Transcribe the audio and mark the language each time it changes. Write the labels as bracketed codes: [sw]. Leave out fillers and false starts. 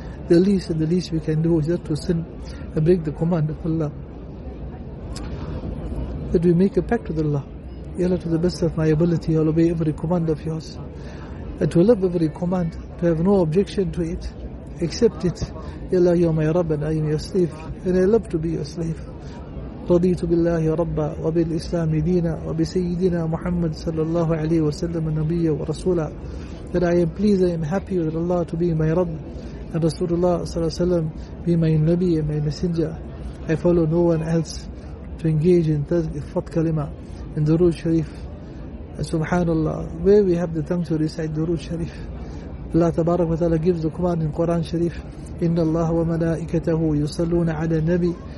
[en] The least we can do is just to sin and break the command of Allah. That we make a pact with Allah. Ya Allah, to the best of my ability, I'll obey every command of yours. And to love every command, to have no objection to it, accept it. Ya Allah, you are my Rabb and I am your slave. And I love to be your slave. [ar] رضيت بالله ربا وبالإسلام دينا وبسيدنا محمد صلى الله عليه وسلم النبي ورسولا. [en] That I am pleased, I am happy with Allah to be my Rabb and Rasulullah صلى الله عليه وسلم be my Nabi and my Messenger. I follow no one else to engage in Fath Kalima, in Durood Sharif. Subhanallah, where we have the tongue to recite Durood Sharif. Allah Tabarak wa Ta'ala gives the command in Quran Sharif, [ar] إن الله وملائكته يصلون على النبي.